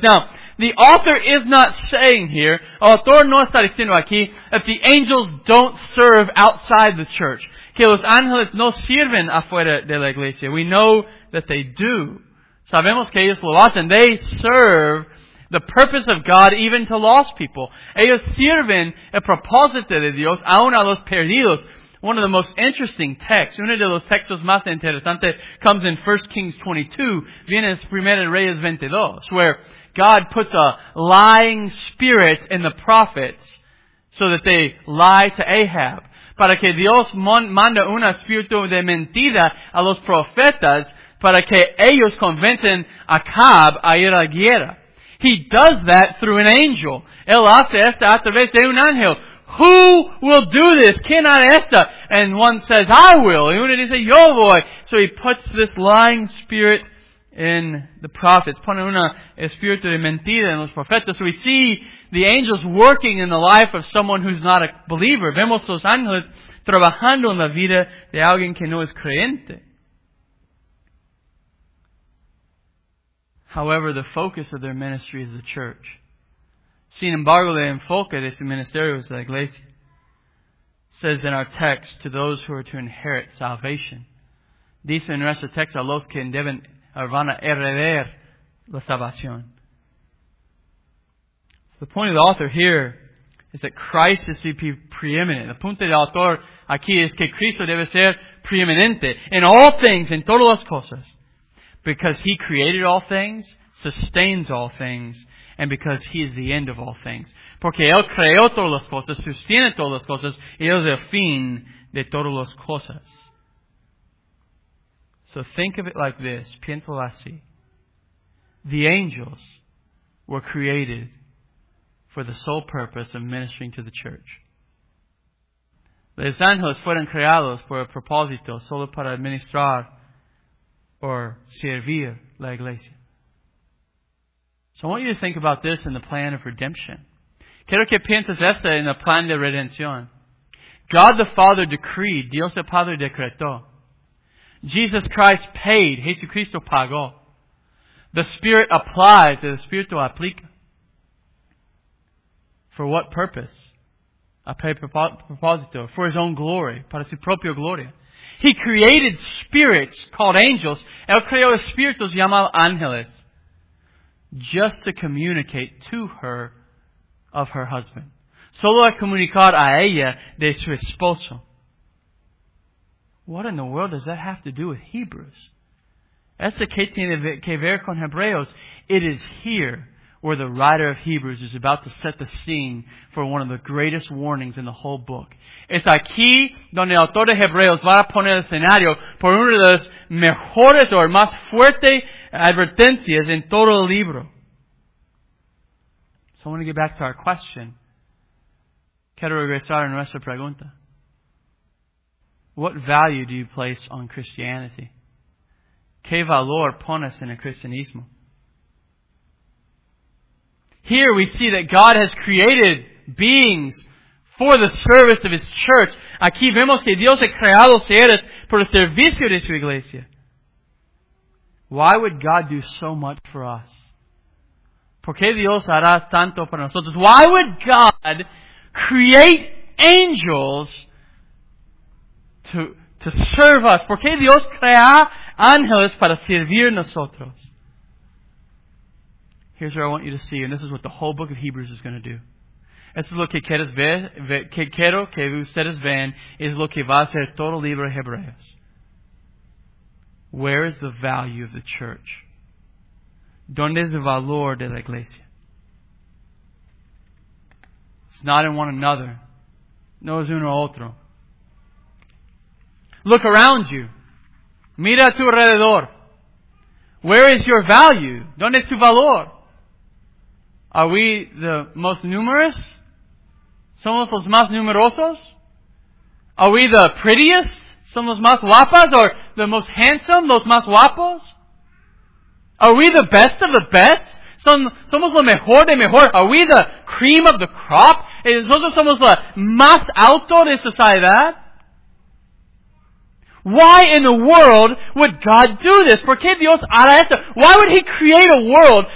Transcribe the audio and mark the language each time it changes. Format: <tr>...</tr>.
<en>Now, the author is not saying here,</en> <es>el autor no está diciendo aquí,</es> <en>that the angels don't serve outside the church.</en> <es>Que los ángeles no sirven afuera de la iglesia.</es> <en>We know that they do.</en> <es>Sabemos que ellos lo hacen.</es> <en>They serve the purpose of God even to lost people.</en> <es>Ellos sirven el propósito de Dios aún a los perdidos.</es> <en>One of the most interesting texts,</en> <es>uno de los textos más interesantes,</es> <en>comes in 1 Kings 22,</en> <es>viene en Primera Reyes 22,</es> <en>where God puts a lying spirit in the prophets so that they lie to Ahab.</en> <es>Para que Dios manda un espíritu de mentira a los profetas para que ellos convencen a Acab a ir a la guerra.</es> <en>He does that through an angel.</en> <es>Él hace esto a través de un ángel.</es> <en>Who will do this?</en> <es>¿Quién hará esto?</es> <en>And one says, I will.</en> <es>Y uno dice, yo voy.</es> <en>So he puts this lying spirit in the prophets.</en> <es>Pone un espíritu de mentira en los profetas.</es> <en>So we see the angels working in the life of someone who's not a believer.</en> <es>Vemos los ángeles trabajando en la vida de alguien que no es creyente.</es> <en>However, the focus of their ministry is the church.</en> <es>Sin embargo, el enfoque de su ministerio es la iglesia.</es> <en>Says in our text, to those who are to inherit salvation.</en> <es>Dice en nuestro texto, a los que deben van a heredar la salvación.</es> <en>The point of the author here is that Christ is to be preeminent.</en> <es>The punto del autor aquí es que Cristo debe ser preeminente</es> <en>in all things,</en> <es>in todas las cosas.</es> <en>Because He created all things, sustains all things, and because He is the end of all things.</en> <es>Porque Él creó todas las cosas, sostiene todas las cosas, y Él es el fin de todas las cosas.</es> <en>So think of it like this,</en> <es>piénsalo así.</es> <en>The angels were created for the sole purpose of ministering to the church.</en> <es>Los ángeles fueron creados por el propósito solo para administrar o servir la iglesia.</es> <en>So I want you to think about this in the plan of redemption.</en> <es>Quiero que pienses esto en el plan de redención.</es> <en>God the Father decreed,</en> <es>Dios el Padre decretó.</es> <en>Jesus Christ paid,</en> <es>Jesucristo pagó.</es> <en>The Spirit applies,</en> <es>el Espíritu aplica.</es> <en>For what purpose?</en> <es>A propósito.</es> <en>For His own glory.</en> <es>Para su propia gloria.</es> <en>He created spirits called angels.</en> <es>Él creó espíritus llamados ángeles.</es> <en>Just to communicate to her of her husband.</en> <es>Solo a comunicar a ella de su esposo.</es> <en>What in the world does that have to do with Hebrews?</en> <es>Esto que tiene que ver con Hebreos.</es> <en>It is here where the writer of Hebrews is about to set the scene for one of the greatest warnings in the whole book.</en> <es>Es aquí donde el autor de Hebreos va a poner el escenario por una de las mejores o más fuertes advertencias en todo el libro.</es> <en>So I want to get back to our question.</en> <es>Quiero regresar a nuestra pregunta.</es> <en>What value do you place on Christianity?</en> <es>¿Qué valor pones en el cristianismo?</es> <en>Here we see that God has created beings for the service of His church.</en> <es>Aquí vemos que Dios ha creado seres por el servicio de su iglesia.</es> <en>Why would God do so much for us?</en> <es>¿Por qué Dios hará tanto para nosotros?</es> <en>Why would God create angels to serve us?</en> <es>¿Por qué Dios crea ángeles para servir nosotros?</es> <en>Here's what I want you to see, and this is what the whole book of Hebrews is going to do.</en> <es>Esto es lo que quieres ver, que quiero que ustedes vean, es lo que va a ser todo el libro de Hebreos.</es> <en>Where is the value of the church?</en> <es>¿Dónde es el valor de la iglesia?</es> <en>It's not in one another.</en> <es>No es uno a otro.</es> <en>Look around you.</en> <es>Mira a tu alrededor.</es> <en>Where is your value?</en> <es>¿Dónde es tu valor?</es> <en>Are we the most numerous?</en> <es>¿Somos los más numerosos?</es> <en>Are we the prettiest?</en> <es>¿Somos los más guapas?</es> <en>¿Or the most handsome?</en> <es>¿Los más guapos?</es> <en>Are we the best of the best?</en> <es>¿Somos lo mejor de mejor?</es> <en>Are we the cream of the crop?</en> <es>¿Nosotros somos lo más alto de sociedad?</es> <en>Why in the world would God do this?</en> <es>¿Por qué Dios hará esto?</es> <en>Why would He create a world?</en>